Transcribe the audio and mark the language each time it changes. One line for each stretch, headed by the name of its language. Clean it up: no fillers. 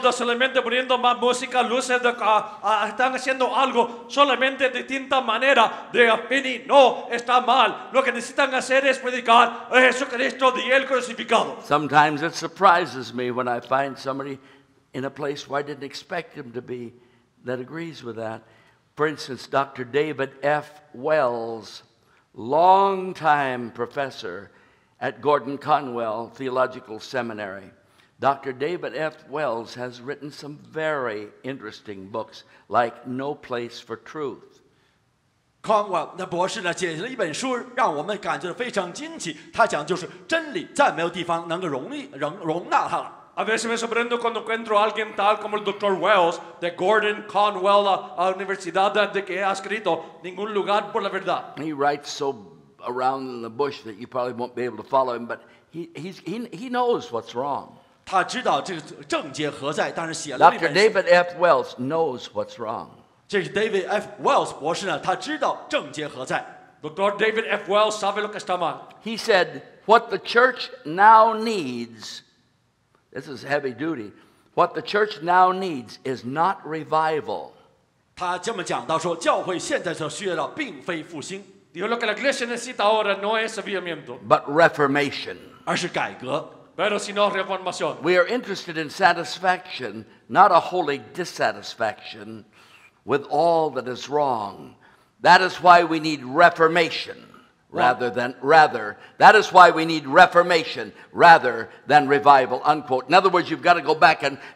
Spanish: De solamente poniendo más música, luces, de, están haciendo algo solamente de distinta manera de Finney. No, está mal. Lo que necesitan hacer es predicar a Jesucristo y el crucificado.
English: Sometimes it surprises me when I find somebody in a place where I didn't expect him to be that agrees with that. For instance, Dr. David F. Wells, longtime professor at Gordon-Conwell Theological Seminary. Dr. David F. Wells has written some very interesting books like No Place for Truth.
Chinese: Conwell 那博士呢写了一本书让我们感觉到非常惊奇，他讲就是真理再没有地方能够容纳它了。
Spanish: A veces me sorprendo cuando encuentro a alguien tal como el Dr. Wells de Gordon Conwell Universidad de que ha escrito Ningún Lugar por la Verdad.
English: He writes so around in the bush that you probably won't be able to follow him, but he knows what's wrong.
Chinese: 他知道这个症结何在，但是写了那本书。
English: Dr. David F. Wells knows what's wrong.
Chinese: 这是 David F. Wells 博士呢，他知道症结何在。
Spanish: Dr. David F. Wells sabe lo que está mal.
English: He said, what the church now needs... This is heavy duty. What the church now needs is not revival.
Chinese: 他这么讲到说，教会现在所需要的并非复兴。
Spanish: Dijo lo que la iglesia necesita ahora no es avivamiento.
English: But reformation.
Chinese: 而是改革。
Spanish: Pero sino reformación.
English: We are interested in satisfaction, not a holy dissatisfaction with all that is wrong. That is why we need reformation. That is why we need reformation rather than revival, unquote. In other words, you've got to go back and